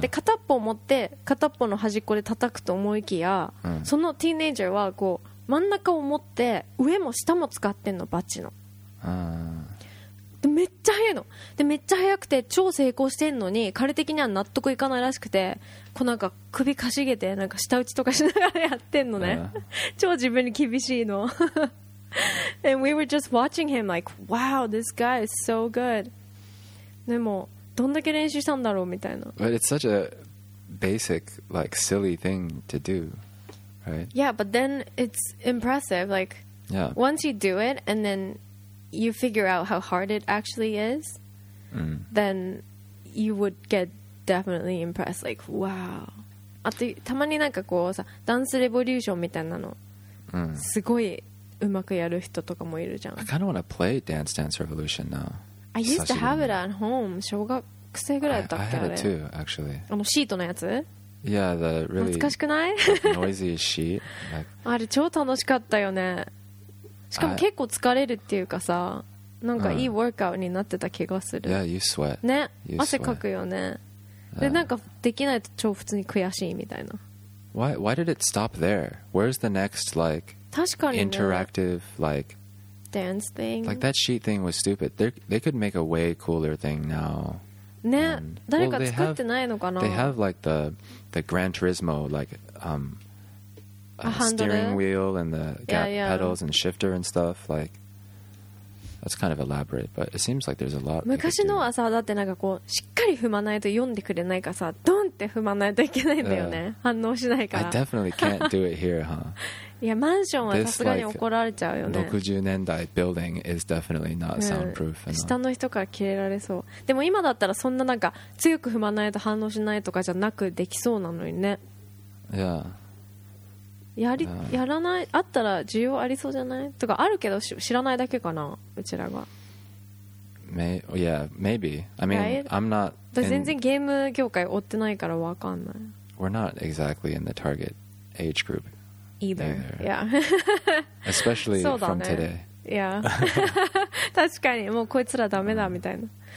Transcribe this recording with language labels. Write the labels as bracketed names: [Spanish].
[Japanese] で片っぽを持って片っぽの端っこで叩くと思いきや、そのティーンエイジャーはこう真ん中を持って上も下も使ってんのバチの。めっちゃ速いの。でめっちゃ速くて超成功してんのに、彼的には納得いかないらしくて、こうなんか首かしげてなんか舌打ちとかしながらやってんのね。超自分に厳しいの。 [English] And we were just watching him like, wow, this guy is so good. [Japanese] でもどんだけ練習したんだろうみたいな。 [English] But it's such a basic, like, silly thing to do, right? Yeah, but then it's impressive. Like, yeah. Once you do it, and then you figure out how hard it actually is, then you would get definitely impressed. Like, wow. [Japanese] あと、たまになんかこうさ、ダンスレボリューションみたいなの、すごいうまくやる人とかもいるじゃん。 [English] I kind of want to play Dance Dance Revolution now. I used to have it at home. [Japanese] 小学生ぐらいだったっけ、あれ。 [English] I had it too, actually. [Japanese] あのシートのやつ？ [English] Yeah, the really [Japanese] 懐かしくない？ [English] noisy sheet. Like... [Japanese] あれ超楽しかったよね。しかも結構疲れるっていうかさ、なんかいいワークアウトになってた気がする。 [English] Yeah, you sweat. [Japanese] ね、 [English] you sweat. [Japanese] 汗かくよね。でなんかできないと超普通に悔しいみたいな。 [English] Why did it stop there? Where's the next like、 [Japanese] 確かにね、 [English] interactive like dance thing? Like that sheet thing was stupid. They could make a way cooler thing now. [Japanese] ね、 [English] and, [Japanese] 誰か、 [English] well, [Japanese] 作ってないのかな。 [English] They have like the Gran Turismo like A steering wheel and the gap pedals and shifter and stuff, like that's kind of elaborate, but it seems like there's a lot. [Japanese] 昔のはさ、だってなんかこうしっかり踏まないと読んでくれないかさ、ドンって踏まないといけないんだよね。反応しないから。 [English] I definitely can't do it here, huh? [Japanese] いや、マンションはさすがに怒られちゃうよね。 [English] 60年代 building is definitely not soundproof enough. [Japanese] 下の人から切れられそう。でも今だったらそんななんか強く踏まないと反応しないとかじゃなくできそうなのにね。 [English] Yeah. [Japanese] やらない、あったら需要ありそうじゃないとか、あるけど知らないだけかな、うちらが。 [English] Yeah, maybe. I mean, I'm not. [Japanese] 全然ゲーム業界追ってないから分かんない。 [English] We're not exactly in the target age group either. Yeah. Especially from today. Yeah. [Japanese] 確かに、もうこいつらダメだみたいな。